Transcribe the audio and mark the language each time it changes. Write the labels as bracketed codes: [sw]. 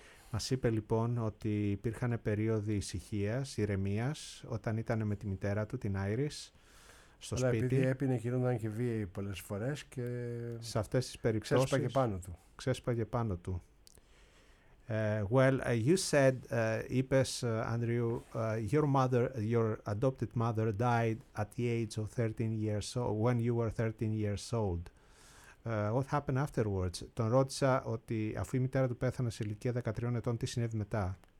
[el] Μας είπε λοιπόν ότι υπήρχαν περίοδοι ησυχίας, ηρεμίας, όταν ήταν με τη μητέρα του, την Iris, στο αλλά σπίτι. Επειδή έπινε και ήταν και βίαιοι πολλές φορές και σε αυτές τις περιπτώσεις ξέσπαγε πάνω του. [en] Well, you said, [el] είπες, [en] Andrew, your mother, your adopted mother died at the age of 13 years old, when you were 13 years old. What happened afterwards? [el] Τον ρώτησα ότι αφού η μητέρα του πέθανε σε ηλικία 13 ετών, τι συνέβη μετά?